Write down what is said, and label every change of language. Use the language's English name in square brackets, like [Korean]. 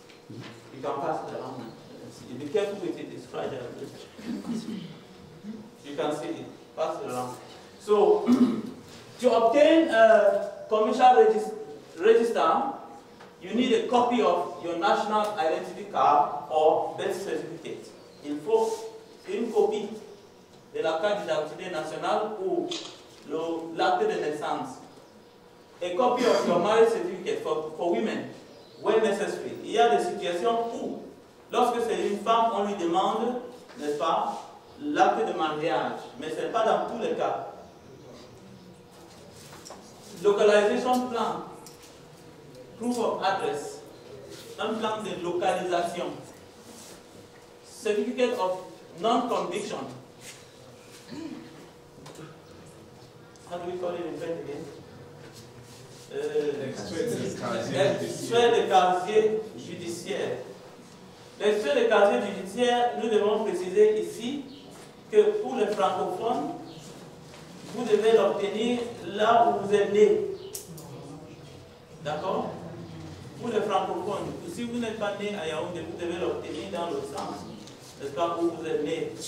[English] You can pass it around. You be careful with it, it's fragile. You can see it. Pass it around. So, to obtain a commercial register, you need a copy of your national identity card or birth certificate. [French] Il faut une copie de la carte d'identité nationale ou l'acte de naissance. [English] A copy of your marriage certificate for women, when necessary. [French] Il y a des situations où, lorsque c'est une femme, on lui demande, n'est-ce pas, l'acte de mariage. Mais ce n'est pas dans tous les cas. [English] Localisation plan, proof of address, [French] un plan de localisation, [English] certificate of non-conviction. How do we call it in French again? [French] L'extrait de casier judiciaire. L'extrait de casier judiciaire, nous devons préciser ici que pour les francophones, vous devez l'obtenir là où vous êtes né. D'accord? Pour les francophones, si vous n'êtes pas né à Yaoundé, vous devez l'obtenir dans le sens, n'est-ce pas, où vous êtes né.